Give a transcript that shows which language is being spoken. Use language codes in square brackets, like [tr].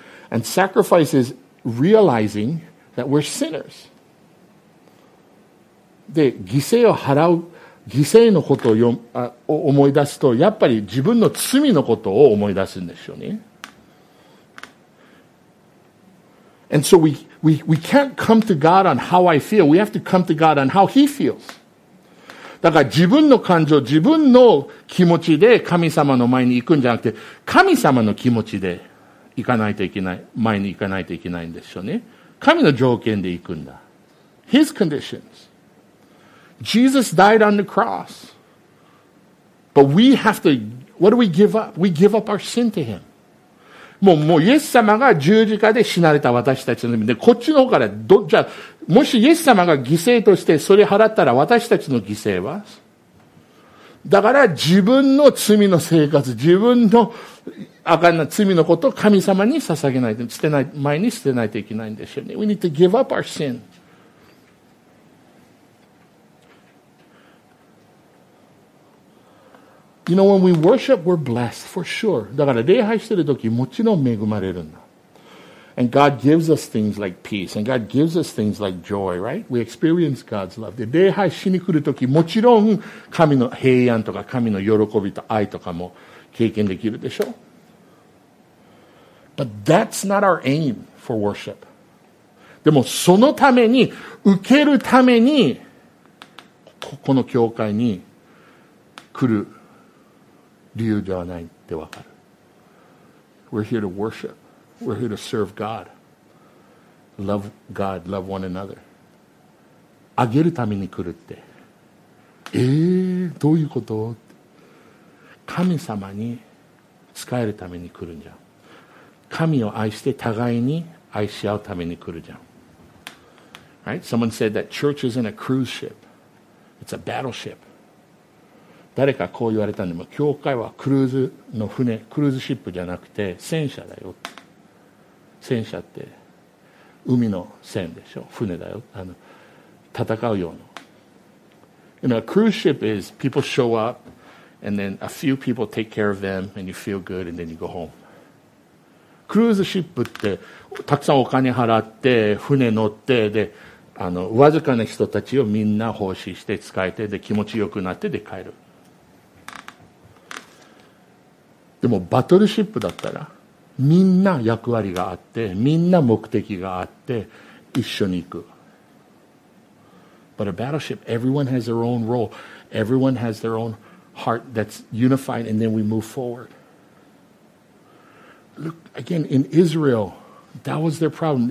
[en] And sacrifice is realizing that we're sinners. [ja] で、犠牲を払う、犠牲のことを思い出すと、やっぱり自分の罪のことを思い出すんですよね。 [en] And so we can't come to God on how I feel. We have to come to God on how He feels. [ja] だから自分の感情、自分の気持ちで神様の前に行くんじゃなくて、神様の気持ちで行かないといけない、前に行かないといけないんですよね。神の条件で行くんだ。 [en] His conditions. Jesus died on the cross. But we have to, what do we give up? We give up our sin to Him. [ja] もうイエス様が十字架で死なれた私たちの意味で、こっちの方から、じゃあ、もしイエス様が犠牲としてそれ払ったら私たちの犠牲は? だから自分の罪の生活、自分のあかんな罪のことを神様に捧げないと、捨てない、前に捨てないといけないんですよね。 [en] We need to give up our sin. You know, when we worship, we're blessed, for sure. [ja] だから礼拝してるとき、もちろん恵まれるんだ。 [en] And God gives us things like peace, and God gives us things like joy, right? We experience God's love. [ja] で、礼拝しに来るとき、もちろん神の平安とか神の喜びと愛とかも経験できるでしょ? But that's not our aim for worship. でも、そのために、受けるために、この教会に来る。理由ではないってわかる。 [en] We're here to worship. We're here to serve God. Love God, love one another. [ja] あげるために来るって。どういうこと？神様に仕えるために来るんじゃん。神を愛して互いに愛し合うために来るじゃん。 [en] Right? Someone said that church isn't a cruise ship. It's a battleship. [ja] 誰かこう言われたんでも、教会はクルーズの船、クルーズシップじゃなくて戦車だよ。戦車って海の線でしょ、船だよ、あの戦うような。 [en] You know, a cruise ship is people show up and then a few people take care of them and you feel good and then you go home. [ja] クルーズシップってたくさんお金払って船乗って、であのわずかな人たちをみんな奉仕して使えて、で気持ちよくなってで帰る。でもバトルシップだったらみんな役割があって、みんな目的があって一緒に行く。 [en] But a battleship, everyone has their own role. Everyone has their own heart that's unified, and then we move forward. Look, again, in Israel, that was their problem.